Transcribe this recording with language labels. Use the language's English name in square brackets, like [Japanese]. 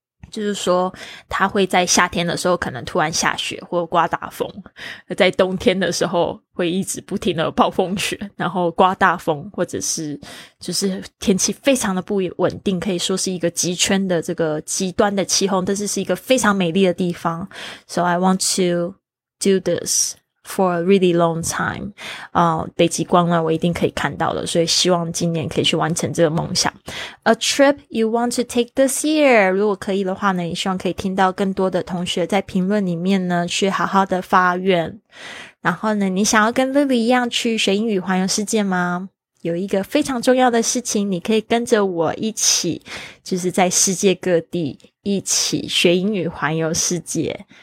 [Chinese] 就是说它会在夏天的时候可能突然下雪或刮大风，在冬天的时候会一直不停的暴风雪，然后刮大风，或者是就是天气非常的不稳定，可以说是一个极圈的这个极端的气候，但是是一个非常美丽的地方。 [English] So I want to do this for a really long time. [Chinese] 北极光呢我一定可以看到的，所以希望今年可以去完成这个梦想。 [English] A trip you want to take this year. [Chinese] 如果可以的话呢，也希望可以听到更多的同学在评论里面呢去好好的发愿。然后呢，你想要跟 Lily 一样去学英语环游世界吗？有一个非常重要的事情，你可以跟着我一起，就是在世界各地一起学英语环游世界。